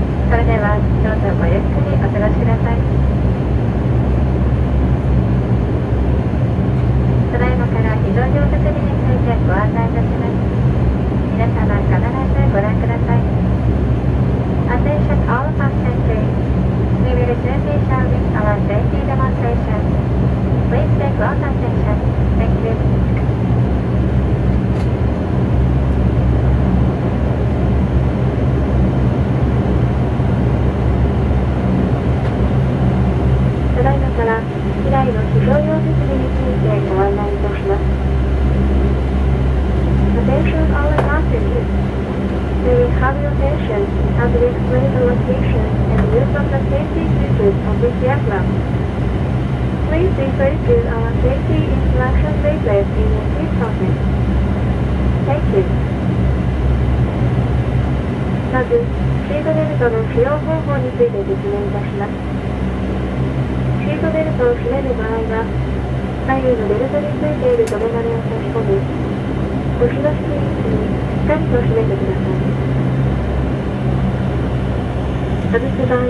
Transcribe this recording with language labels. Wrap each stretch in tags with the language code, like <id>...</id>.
<ja>それではどうぞごゆっくりお過ごしください。ただいまから非常用設備についてご案内いたします。皆様必ずご覧ください。</ja> <en>Attention all passengers. We will soon be showing our safety demonstration. Please take close attention.</en> <ja>ただいまから機内の非常用設備についてご案内いたします。</ja> <en>Attention all passengers. May we have your attention as we explain the location and use of the safety features of this aircraft. Please refer to our safety instruction leaflet in your seat pocket. Thank you.</en> <ja>まず、シートベルトの使用方法について説明いたします。シートベルトを締める場合は、左右のベルトについている留め金を差し込み、腰の引き位置にしっかりと締めてください。</ja>